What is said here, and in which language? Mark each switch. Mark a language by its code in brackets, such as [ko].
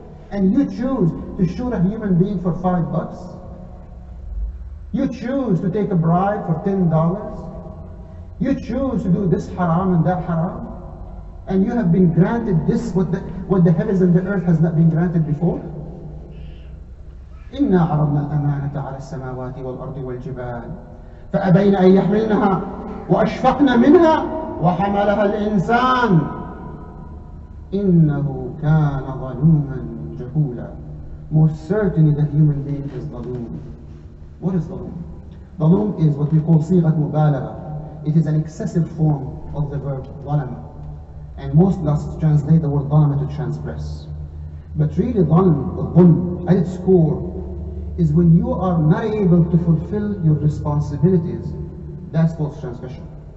[en] And you choose to shoot a human being for $5. You choose to take a bribe for $10. You choose to do this haram and that haram. And you have been granted this, what the heavens and the earth has not been granted before. [ar] إنا عرضنا الأمانة على السماوات والأرض والجبال فأبين أن يحملنها وأشفقن منها وحملها الإنسان إنه كان ظلوما جهولا. [en] Most certainly the human being is ظلوم. What is ظلوم? ظلوم is what we call [ar] صيغة مبالغة. [en] It is an excessive form of the verb ظلم. And most lost translate the word ظلم to transgress. But really ظلم, ظلم at its core is when you are not able to fulfill your responsibilities. That's false transgression.